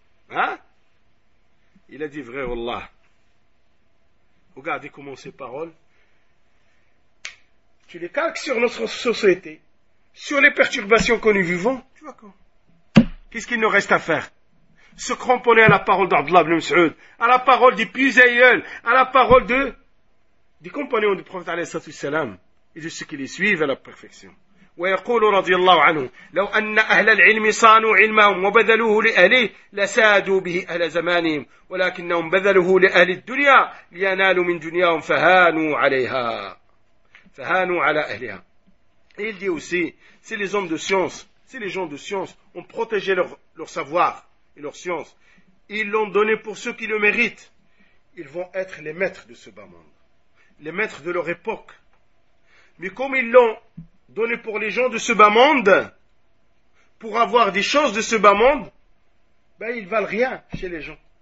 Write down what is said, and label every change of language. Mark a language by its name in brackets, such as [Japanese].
[French] Hein? Il a dit vrai, Allah. Regardez comment ces paroles, tu les calques sur notre société, sur les perturbations que nous vivons. Tu vois quoi? Qu'est-ce qu'il nous reste à faire? Se cramponner à la parole d'Abdullah ibn Mas'ud, à la parole du Pizayel, à la parole de, des compagnons du prophète alayhi sallallahu alayhi sallam, et de ceux qui les suivent à la perfection. [Arabic] ويقول رضي الله عنه لو أن أهل العلم صانوا علمهم وبذلوه لأهله لسادوا به أهل زمانهم ولكنهم بذلوه لأهل الدنيا لينالوا من دنياهم فهانوا عليها فهانوا على أهلها. [French] Il dit aussi, si les hommes de science, si les gens de science ont protégé leur savoir et leur science, ils l'ont donné pour ceux qui le méritent, ils vont être les maîtres de ce bas monde, les maîtres de leur époque. Mais comme ils l'ont donné pour les gens de ce bas monde, pour avoir des choses de ce bas monde, ben ils valent rien chez les gens.